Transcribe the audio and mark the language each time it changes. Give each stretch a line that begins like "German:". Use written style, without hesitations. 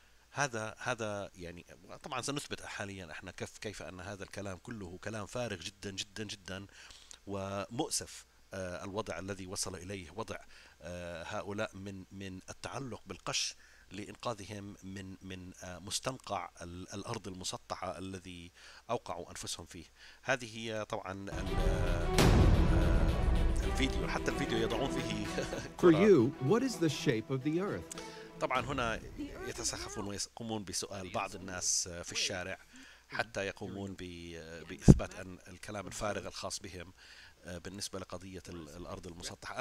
Arabic: هذا يعني طبعا سنثبت حاليا احنا كيف أن هذا الكلام كله كلام فارغ جدا جدا جدا، ومؤسف الوضع الذي وصل إليه، وضع هؤلاء من التعلق بالقش لإنقاذهم من مستنقع الأرض المسطحة الذي أوقعوا أنفسهم فيه. هذه هي طبعا الفيديو، حتى الفيديو يضعون فيه
English: For you, what is the shape of the earth?
Arabic: طبعا هنا يتسخفون ويقومون بسؤال بعض الناس في الشارع حتى يقومون بإثبات أن الكلام الفارغ الخاص بهم بالنسبة لقضية الأرض المسطحة.